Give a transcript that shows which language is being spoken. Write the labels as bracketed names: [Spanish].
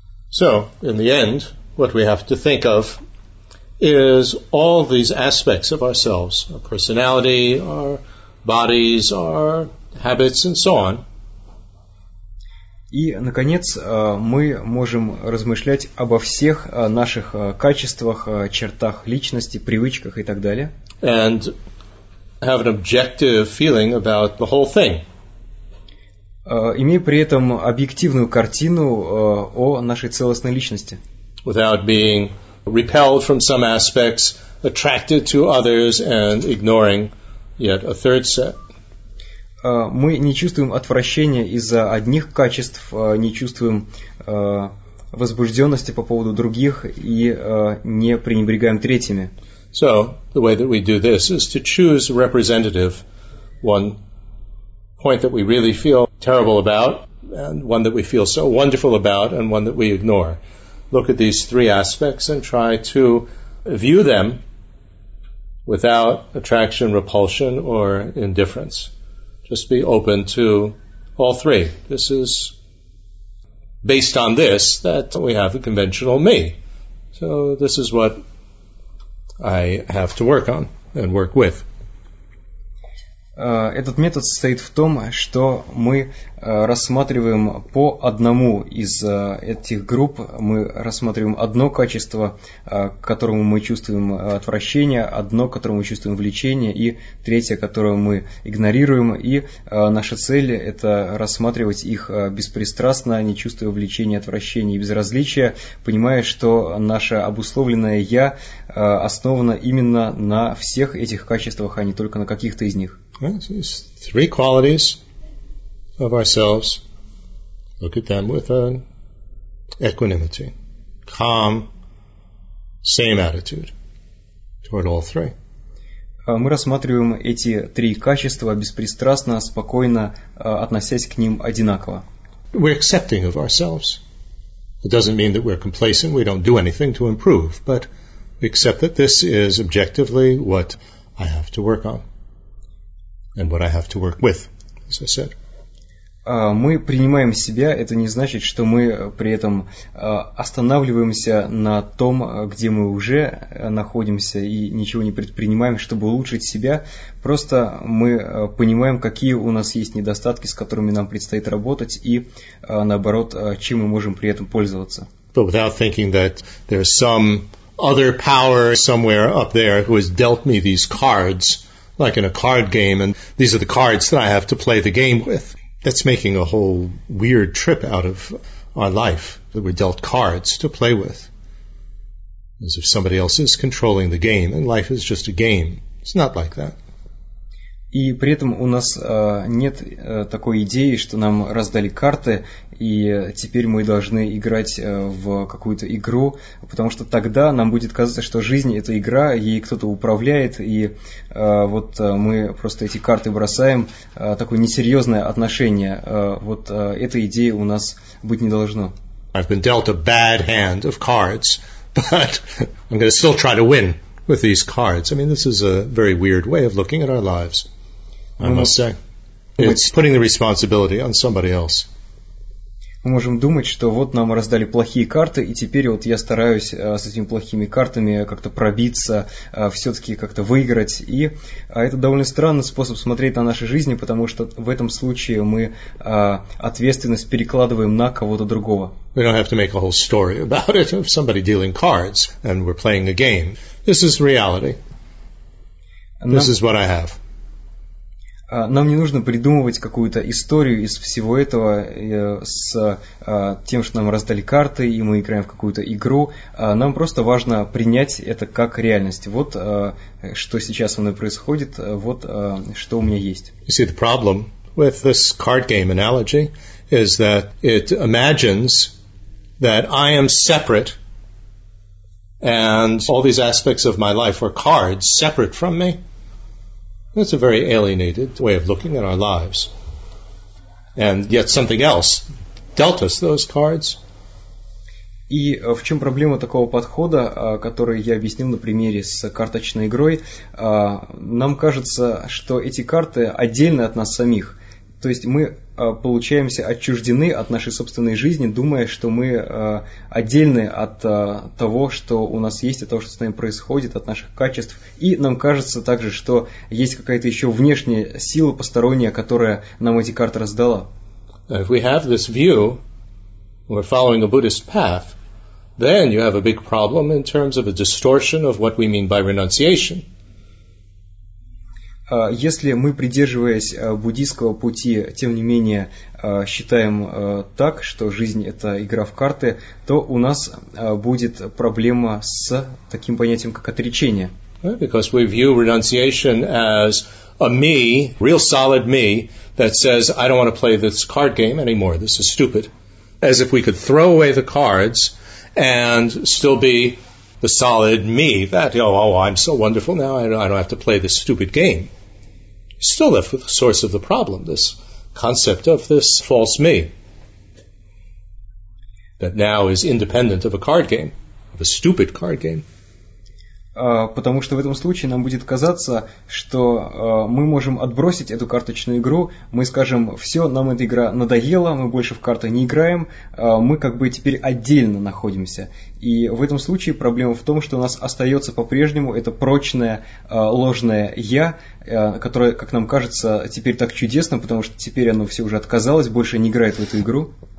[English] So, in the end, what we have to think of is all these aspects of ourselves, our personality, our bodies, our habits, and so on. [Russian] И, наконец, мы можем размышлять обо всех наших качествах, чертах личности, привычках и так далее. [English] And have an objective feeling about the whole thing. [Russian] Имея при этом объективную картину о нашей целостной личности. [English] Without being repelled from some aspects, attracted to others, and ignoring yet a third set. [Russian] Мы не чувствуем отвращения из-за одних качеств, не чувствуем возбужденности по поводу других и не пренебрегаем третьими. [English] So, the way that we do this is to choose a representative, one point that we really feel terrible about, and one that we feel so wonderful about, and one that we ignore. Look at these three aspects and try to view them without attraction, repulsion, or indifference. Just be open to all three. This is based on this that we have a conventional me. So this is what I have to work on and work with. [Russian] Этот метод состоит в том, что мы рассматриваем по одному из этих групп, мы рассматриваем одно качество, к которому мы чувствуем отвращение, одно, к которому мы чувствуем влечение, и третье, которое мы игнорируем, и наша цель – это рассматривать их беспристрастно, не чувствуя влечения, отвращения и безразличия, понимая, что наше обусловленное «я» основано именно на всех этих качествах, а не только на каких-то из них. [English] These three qualities of ourselves, look at them with an equanimity, calm, same attitude toward all three. [Russian] Мы рассматриваем эти три качества беспристрастно, спокойно, относясь к ним одинаково. [English] We're accepting of ourselves. It doesn't mean that we're complacent, we don't do anything to improve, but we accept that this is objectively what I have to work on. And what I have to work with, as I said. [Russian] Мы принимаем себя, это не значит, что мы при этом останавливаемся на том, где мы уже находимся, и ничего не предпринимаем, чтобы улучшить себя. Просто мы понимаем, какие у нас есть недостатки, с которыми нам предстоит работать, и наоборот, чем мы можем при этом пользоваться. [English] But without thinking that there's some other power somewhere up there who has dealt me these cards, like in a card game, and these are the cards that I have to play the game with. That's making a whole weird trip out of our life, that we're dealt cards to play with. As if somebody else is controlling the game, and life is just a game. It's not like that. [Russian] И при этом у нас нет такой идеи, что нам раздали карты, и теперь мы должны играть в какую-то игру, потому что тогда нам будет казаться, что жизнь – это игра, ей кто-то управляет, и вот мы просто эти карты бросаем, такое несерьезное отношение. Вот этой идеи у нас быть не должно. [English] I've been dealt a bad hand of cards, but I'm going to still try to win. With these cards. I mean, this is a very weird way of looking at our lives, I must say. It's putting the responsibility on somebody else. [Russian] Мы можем думать, что вот нам раздали плохие карты, и теперь вот я стараюсь с этими плохими картами как-то пробиться, все-таки как-то выиграть. И это довольно странный способ смотреть на наши жизни, потому что в этом случае мы ответственность перекладываем на кого-то другого. [English] We don't have to make a whole story about it of somebody dealing cards and we're playing a game. This is reality. This is what I have. [Russian] Нам не нужно придумывать какую-то историю из всего этого с тем, что нам раздали карты, и мы играем в какую-то игру. Нам просто важно принять это как реальность. Вот что сейчас со мной происходит, вот что у меня есть. [English] You see, the problem with this card game analogy is that it imagines that I am separate and all these aspects of my life are cards separate from me. That's a very alienated way of looking at our lives. And yet something else dealt us those cards. [Russian] И в чем проблема такого подхода, который я объяснил на примере с карточной игрой? Нам кажется, что эти карты отдельны от нас самих. То есть мы получаемся отчуждены от нашей собственной жизни, думая, что мы отдельны от того, что у нас есть, от того, что с нами происходит, от наших качеств. И нам кажется также, что есть какая-то еще внешняя сила посторонняя, которая нам эти карты раздала. [English] If we have this view, we're following a Buddhist path, then you have a big problem in terms of a distortion of what we mean by renunciation. [Russian] Если мы, придерживаясь буддийского пути, тем не менее считаем так, что жизнь – это игра в карты, то у нас будет проблема с таким понятием, как отречение. [English] Right, because we view renunciation as a me, real solid me, that says, I don't want to play this card game anymore, this is stupid. As if we could throw away the cards and still be the solid me, that, I'm so wonderful now, I don't have to play this stupid game. Still left with the source of the problem, this concept of this false me that now is independent of a card game, of a stupid card game. [Russian] Потому что в этом случае нам будет казаться, что мы можем отбросить эту карточную игру, мы скажем, все, нам эта игра надоела, мы больше в карты не играем, мы как бы теперь отдельно находимся. И в этом случае проблема в том, что у нас остается по-прежнему это прочное ложное «я», которое, как нам кажется, теперь так чудесно, потому что теперь оно все уже отказалось, больше не играет в эту игру.